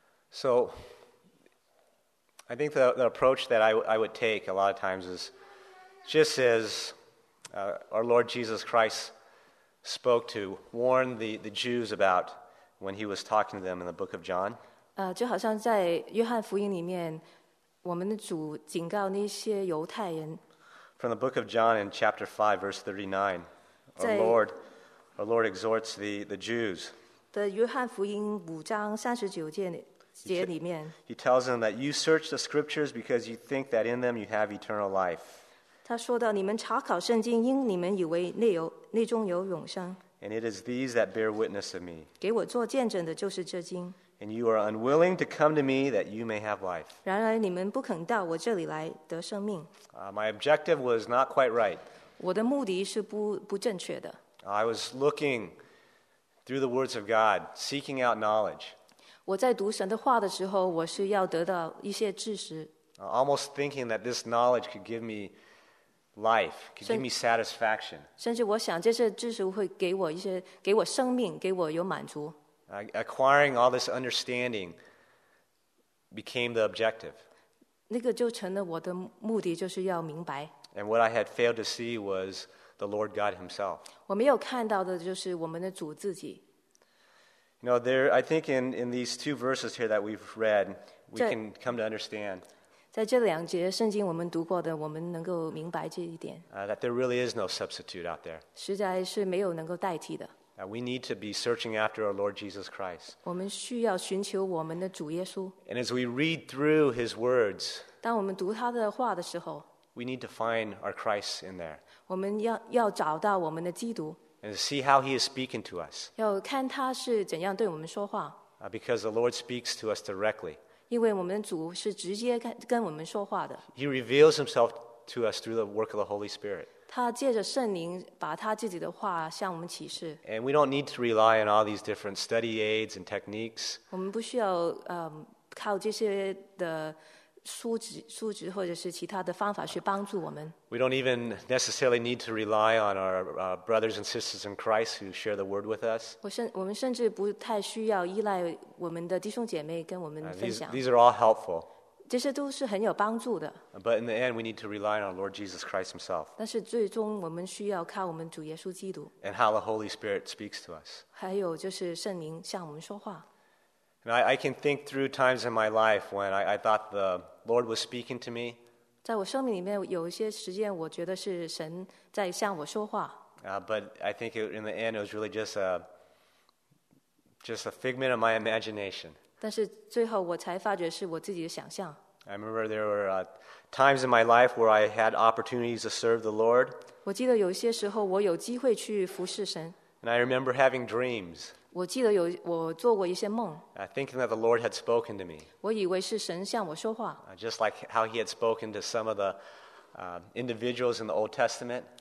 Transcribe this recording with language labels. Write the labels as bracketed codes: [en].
[en] So,I think the approach that I would take a lot of times is just as our Lord Jesus Christ spoke to warn the Jews about when he was talking to them in the book of John. [zh] 就好像在约翰福音里面，我们的主警告那些犹太人。 [en] From the book of John in chapter 5, verse 39, our Lord exhorts the Jews. [zh] 的约翰福音五章三十九节里。 [en] He tells them that you search the scriptures because you think that in them you have eternal life. [zh] 他说到你们查考圣经，因你们以为内中有永生。 [en] And it is these that bear witness of me. [zh] 给我做见证的就是这经。 [en] And you are unwilling to come to me that you may have life. [zh] 然而你们不肯到我这里来得生命。 [en] My objective was not quite right. [zh] 我的目的是不正确的。 [en] I was looking through the words of God, seeking out knowledge. [zh] 我在读神的话的时候，我是要得到一些知识。 [en] Almost thinking that this knowledge could give me life, could give me satisfaction. [zh] 甚至我想这些知识会给我一些，给我生命，给我有满足。 [en] Acquiring all this understanding became the objective. [zh] 那个就成了我的目的，就是要明白。 [en] And what I had failed to see was the Lord God Himself. [zh] 我没有看到的就是我们的主自己。 [en] You know, there. I think in these two verses here that we've read, we can come to understand. [zh] 在这两节圣经我们读过的，我们能够明白这一点。 [en] That there really is no substitute out there. [zh] 实在是没有能够代替的。 [en] We need to be searching after our Lord Jesus Christ. And as we read through his words, we need to find our Christ in there. And to see how he is speaking to us. Because the Lord speaks to us directly. He reveals himself to us through the work of the Holy Spirit. [zh] 他借着圣灵把他自己的话向我们启示。 [en] And we don't need to rely on all these different study aids and techniques. [zh] 我们不需要靠这些的书籍或者是其他的方法去帮助我们。 [en] We don't even necessarily need to rely on our brothers and sisters in Christ who share the word with us. [zh] 我们甚至不太需要依赖我们的弟兄姐妹跟我们分享。 [en] These are all helpful. [zh] 这些都是很有帮助的。 [en] But in the end, we need to rely on our Lord Jesus Christ Himself. [zh] 但是最终我们需要靠我们主耶稣基督。 [en] And how the Holy Spirit speaks to us. [zh] 还有就是圣灵向我们说话。 [en] And I can think through times in my life when I thought the Lord was speaking to me. [zh] 在我生命里面有一些时间，我觉得是神在向我说话。 [en] But I think in the end, it was really just a figment of my imagination. [zh] 但是最后我才发觉是我自己的想象。 [en] I remember there were times in my life where I had opportunities to serve the Lord. [zh] 我记得有些时候我有机会去服侍神。 [en] And I remember having dreams. [zh] 我记得我做过一些梦。 [en] Thinking that the Lord had spoken to me. [zh] 我以为是神向我说话。 [en] Just like how he had spoken to some of the individuals in the Old Testament.